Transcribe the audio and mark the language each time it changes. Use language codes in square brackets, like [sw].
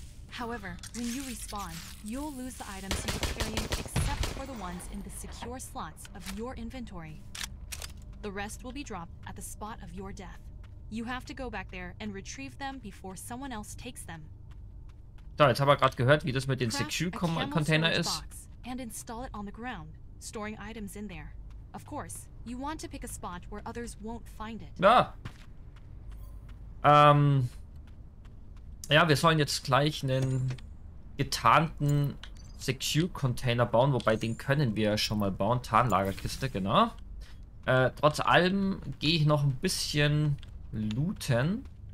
[en] However, when you respawn, you'll lose the items you're carrying except for the ones in the secure slots of your inventory. The rest will be dropped at the spot of your death. You have to go back there and retrieve them before someone else takes them. [de] Da, jetzt haben wir gerade gehört, wie das mit den Secure-Container ist. [en] And install it on the ground, storing items in there. Of course, you want to pick a spot where others won't find it. [de] Ja. Ja, wir sollen jetzt gleich einen getarnten Secure-Container bauen, wobei den können wir schon mal bauen. Tarnlagerkiste, genau. Trotz allem gehe ich noch ein bisschen looten.